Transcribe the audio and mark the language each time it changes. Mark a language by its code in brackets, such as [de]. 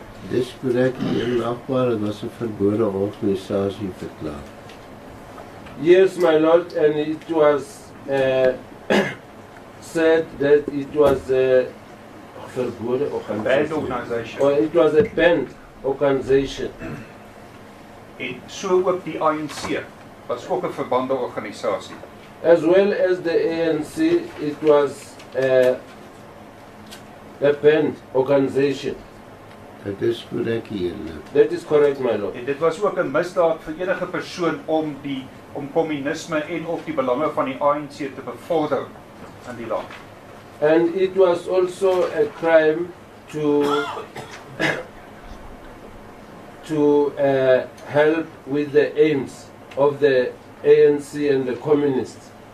[af] Dis correct, [en] Your Honor. It was a [af] verbode organisasie verklaar. [en] Yes, my lord, and it was said that it was a verboden organization. Well, it was a banned organization. [af] En so ook die ANC was ook 'n verbande organisasie. [en] As well as the ANC, it was a banned organization. [af] Dit is korrek, Jelle. [en] That is correct, my lord. [af] En dit was ook 'n misdaad vir enige persoon om die om kommunisme en of die belange van die ANC te bevorder. [en] And it was also a crime to help with the aims of the ANC and the communists.